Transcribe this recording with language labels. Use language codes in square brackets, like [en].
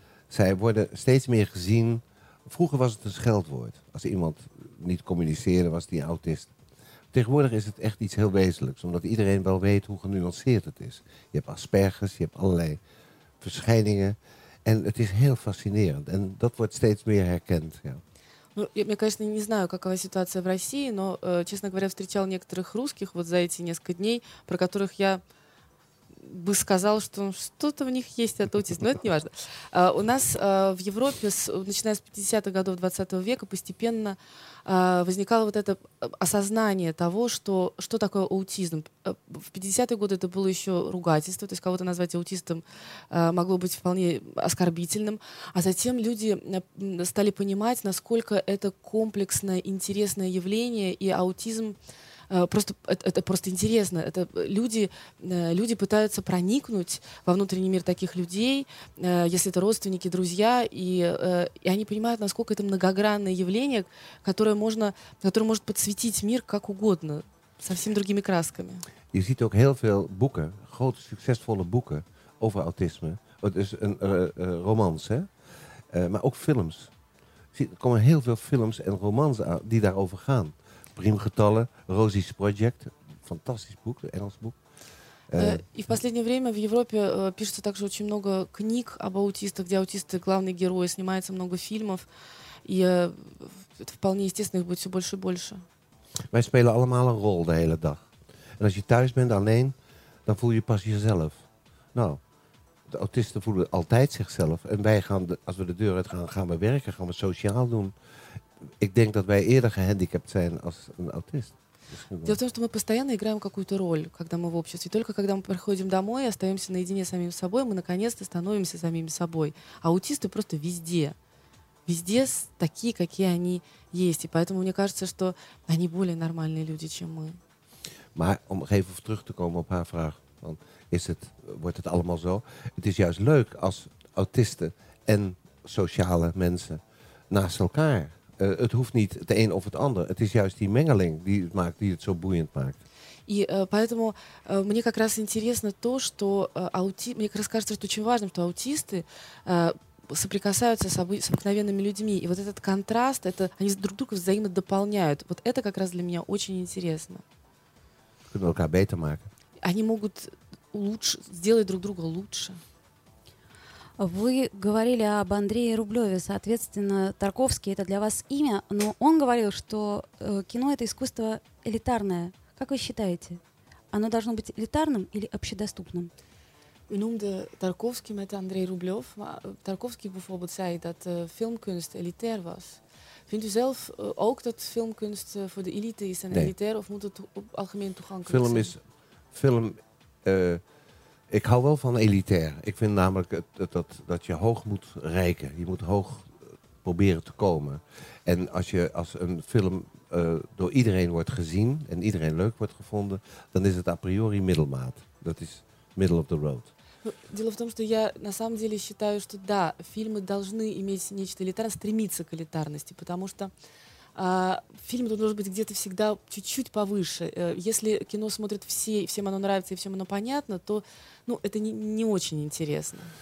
[nl] zij worden steeds meer gezien. Vroeger was het een scheldwoord. Als iemand niet communiceerde, was die autist. Tegenwoordig is het echt iets heel wezenlijks, omdat iedereen wel weet hoe genuanceerd het is. Je hebt Asperger's, je hebt allerlei verschijningen. En het is heel fascinerend. En dat wordt steeds meer herkend, ja. [ru] Ну, я, конечно, не знаю, какова ситуация в России, но, честно говоря, встречал некоторых русских вот за эти несколько дней, про которых я бы сказал, что что-то в них есть от аутизма, но это не важно. У нас в Европе, начиная с 50-х годов 20 века, постепенно возникало вот это осознание того, что, что такое аутизм. В 50-е годы это было еще ругательство, то есть кого-то назвать аутистом могло быть вполне оскорбительным, а затем люди стали понимать, насколько это комплексное, интересное явление, и аутизм просто это просто интересно. Это люди пытаются проникнуть во внутренний мир таких людей, если это родственники, друзья, и они понимают, насколько это многогранное явление, которое можно, которое может подсветить мир как угодно, совсем другими красками. [nl] Je ziet ook heel veel boeken, grote succesvolle boeken over autisme. Het is een romans, hè? Maar ook films. Er komen heel veel films en romans die daarover gaan. [ru] Приемгетале, Розис Проджект, фантастический бук, английский бук. И в последнее время в Европе пишется также очень много книг об аутистах, где аутисты главные герои, снимается много фильмов, и это вполне естественно, их будет все больше и больше. [nl] Wij spelen allemaal een rol de hele dag. En als je thuis bent alleen, dan voel je pas jezelf. Nou, de autisten voelen altijd zichzelf. En wij gaan, als we de deur uit gaan, gaan we werken, gaan we sociaal doen. Ik denk dat wij eerder gehandicapt zijn als een autist. [ru] Дело в том, что мы постоянно играем какую-то роль, когда мы в обществе. Только когда мы приходим домой и остаемся наедине с самим собой, мы наконец-то становимся самими собой. Аутисты просто везде. Везде такие, какие они есть. И поэтому мне кажется, что они более нормальные люди, чем мы. [nl] Maar om even terug te komen op haar vraag, want is het, wordt het allemaal zo? Het is juist leuk als autisten en sociale mensen naast elkaar. Het hoeft niet het een of het ander. Het is juist die mengeling die het maakt, die het zo boeiend maakt. [ru] И поэтому мне как раз интересно то, что аутисты, мне как раз кажется, что очень важно, что аутисты соприкасаются с обыкновенными людьми. И вот этот контраст, это они друг друга взаимодополняют. Вот это как раз для меня очень интересно. [nl] Kunnen elkaar beter maken. [ru] Они могут лучше сделать друг друга лучше. Вы говорили об Андрее Рублеве, соответственно, Тарковский — это для вас имя, но он говорил, что кино — это искусство элитарное. Как вы считаете, оно должно быть элитарным или общедоступным? [nl] Genoemde Tarkovsky met André Rublev. Tarkovsky bijvoorbeeld zei dat filmkunst elitair was. Vindt u zelf ook dat filmkunst voor de elite is en elitair, of moet het algemeen toegankelijk zijn? Ik hou wel van elitair. Ik vind namelijk dat je hoog moet reiken. Je moet hoog proberen te komen. En als een film door iedereen wordt gezien en iedereen leuk wordt gevonden, dan is het a priori middelmaat. Dat is [en] middle of the road. [ru] Дело в том, что я на самом деле считаю, что да, фильмы должны иметь нечто элитарное, стремиться к элитарности, потому что фильм должен быть где-то всегда чуть-чуть повыше. Если кино смотрят все, и всем оно нравится, и всем оно понятно, то ну, это не очень интересно.